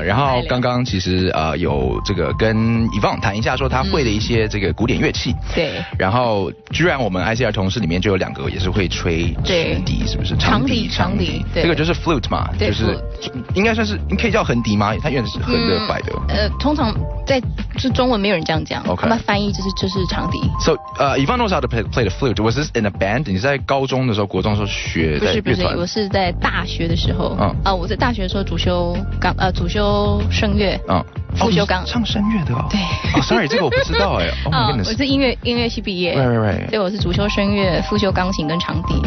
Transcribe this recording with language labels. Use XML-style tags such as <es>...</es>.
<zh>然后刚刚其实有这个跟 Yvonne 谈一下，说他会的一些这个古典乐器。对。然后居然我们 ICRT 同事里面就有两个也是会吹直笛，是不是？长笛，长笛。这个就是 flute 嘛，对，就是应该算是你可以叫横笛吗？它原来是横的摆的。通常在就中文没有人这样讲。 OK。翻译就是长笛。</zh> <en>So, Yvonne knows how to play the flute. Was this in a band?</en> <zh>你在高中的时候、国中的时候学的乐团？不是，我是在大学的时候。我在大学的时候主修声乐。辅修钢唱声乐的哦。对。</zh> <en>Sorry，</en> <zh>这个我不知道哎。我是音乐系毕业。</zh> <en>Right.</en> <zh>对，我是主修声乐，辅修钢琴跟长笛。</zh>